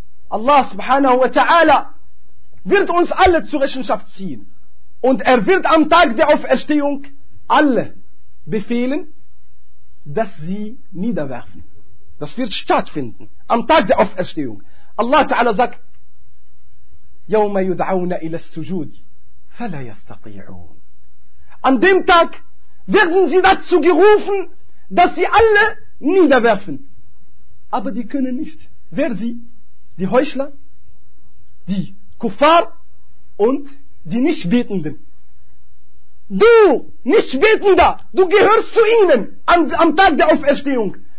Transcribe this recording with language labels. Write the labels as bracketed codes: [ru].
[de] Allah subhanahu wa ta'ala wird uns alle zur Rechenschaft ziehen. Und er wird am Tag der Auferstehung alle befehlen, dass sie niederwerfen. Das wird stattfinden am Tag der Auferstehung. Allah ta'ala sagt, [ar] يوم يدعون إلى السجود فلا يستطيعون. [de] An dem Tag werden sie dazu gerufen, dass sie alle niederwerfen. Aber die können nicht. Wer sie? Die Heuchler, die Kuffar und die Nichtbetenden. Du Nichtbetender, du gehörst zu ihnen am Tag der Auferstehung.